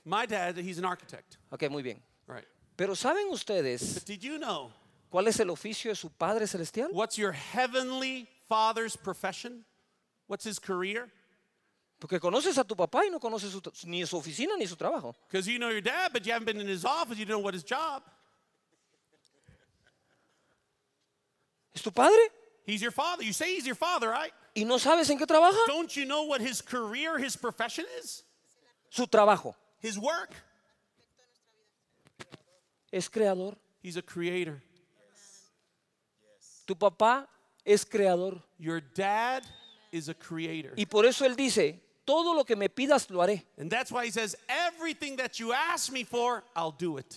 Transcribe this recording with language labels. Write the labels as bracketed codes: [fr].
[en] My dad, he's an architect. [es] Okay, muy bien. [en] Right. [es] Pero ¿saben ustedes? [en] But did you know? [es] ¿Cuál es el oficio de su padre celestial? [en] What's your heavenly father's profession? What's his career? [es] Porque conoces a tu papá y no conoces ni su oficina ni su trabajo. [en] Because you know your dad, but you haven't been in his office. You don't know what his job. [es] ¿Es tu padre? [en] He's your father. You say he's your father, right? [es] ¿Y no sabes en qué trabaja? [en] Don't you know what his career, his profession is? [es] Su trabajo. [en] His work. [es] Es creador. [en] He's a creator. Yes. [es] Tu papá es creador. [en] Your dad is a creator. [es] Y por eso él dice, todo lo que me pidas lo haré. [en] And that's why he says, everything that you ask me for, I'll do it.